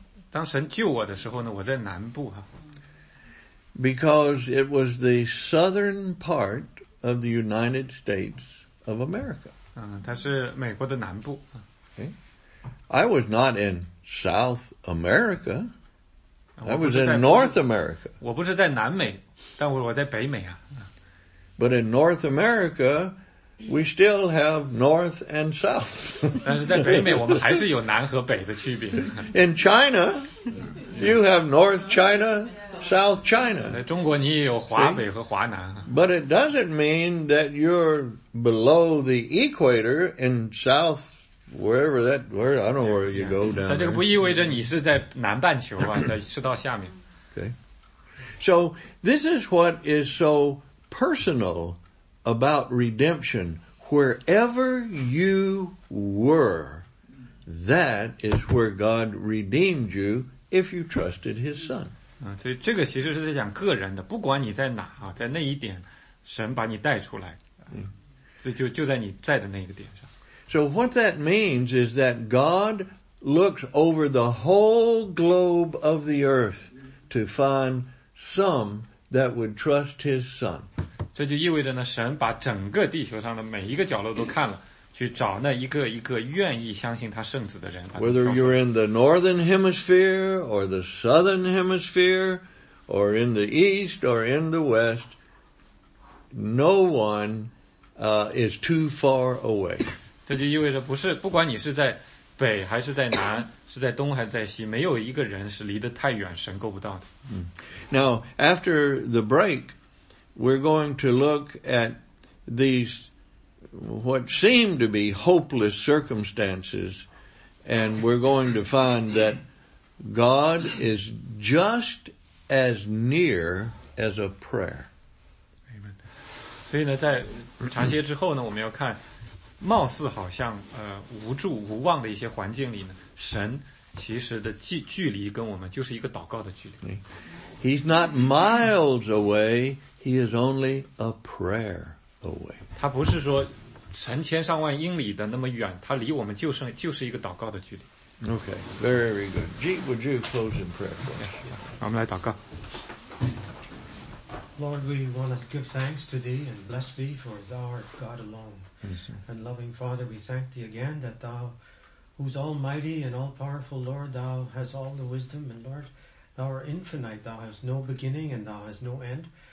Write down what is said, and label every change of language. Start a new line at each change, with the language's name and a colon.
Chinese: 当神救我的时候呢，我在南部哈。
English: Because it was the southern part of the United States of America.
Chinese: 它是美国的南部。
English: Okay. I was not in South America. I was in North America.
Chinese: 我不是在南美，但我在北美啊。
English: But in North America, we still have North and South.
Chinese: 但是在北美，我们还是有南和北的区别。
English: In China, you have North China, South China.
Chinese: 在中国你也有华北和华南。
English: But it doesn't mean that you're below the equator in South, wherever that, where, I don't know where you go down.
Chinese: 但这个不意味着你是在南半球啊，赤道下面。
English: Okay. So, this is what is so personal about redemption. Wherever you were, that is where God redeemed you if you trusted his son.
Chinese: 所以这个其实是在讲个人的，不管你在哪啊，在那一点，神把你带出来，就在你在的那个点上。
English: So what that means is that God looks over the whole globe of the earth to find some that would trust His Son.
Chinese: 这就意味着呢，神把整个地球上的每一个角落都看了。去找那一个一个愿意相信他圣子的人。
English: Whether you're in the northern hemisphere or the southern hemisphere or in the east or in the west, no one, is too far away.
Chinese: 这就意味着不管你是在北还是在南，是在东还是在西，没有一个人是离得太远，神够不到的。
English: Now, after the break, we're going to look at these what seem to be hopeless circumstances, and we're going to find that God is just as near as a prayer. Amen.
Chinese: 所以呢，在查歇之后呢，我们要看，貌似好像无助无望的一些环境里呢，神其实的距离跟我们就是一个祷告的距离。
English: He's not miles away. He is only a prayer away.
Chinese: 他不是说成千上万英里的那么远，他离我们就是一个祷告的距离。
English: Okay, very good. Would you close in prayer? Yeah, yeah.
Chinese: 我们来祷告。
English: Lord, we want to give thanks to Thee and bless Thee, for Thou art God alone. And loving Father, we thank Thee again that Thou, who's almighty and all-powerful, Lord, Thou has all the wisdom, and Lord, Thou art infinite, Thou has no beginning and Thou has no end.